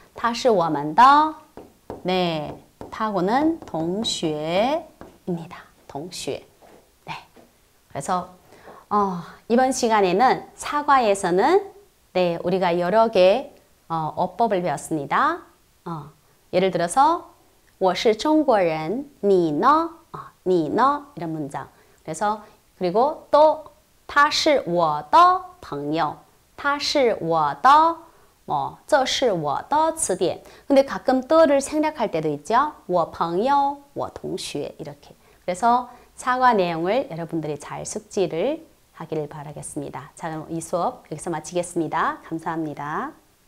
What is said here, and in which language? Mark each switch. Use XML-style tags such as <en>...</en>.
<zh>她是我们的.</zh> <ko>네. 하고는 동学입니다. 동学. 네. 그래서 이번 시간에는 사과에서는 네, 우리가 여러 개 어법을 배웠습니다. 예를 들어서</ko> <zh>我是中国人, 你呢? 你呢?</zh> <ko>이런 문장. 그래서 그리고 또</ko> <zh>他是我的朋友. 他是我的 뭐, 这是我的词典.</zh> <ko>근데 가끔 的를 생략할 때도 있죠.</ko> <zh>我朋友,我同学</zh> <ko>이렇게. 그래서 사과 내용을 여러분들이 잘 숙지를 하기를 바라겠습니다. 자, 그럼 이 수업 여기서 마치겠습니다. 감사합니다.</ko>